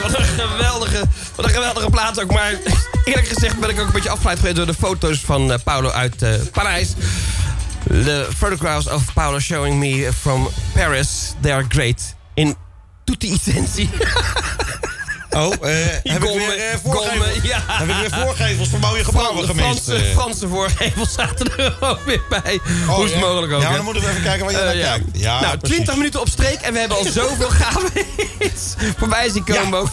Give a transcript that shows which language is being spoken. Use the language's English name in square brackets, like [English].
[Dutch] Wat een geweldige plaats ook. Maar eerlijk gezegd ben ik ook een beetje afgeleid geweest door de foto's van Paolo uit Parijs. [English] The photographs of Paolo showing me from Paris. They are great. [Italian] In tutti i sensi. [Dutch] Heb ik weer voorgevels van mooie gebouwen gemist? Franse voorgevels zaten er ook weer bij. Oh, hoe is het mogelijk ook? Ja, dan moeten we even kijken waar je naar kijkt. Ja, nou, precies. 20 minuten op streek en we hebben al zoveel gaven voorbij zien komen.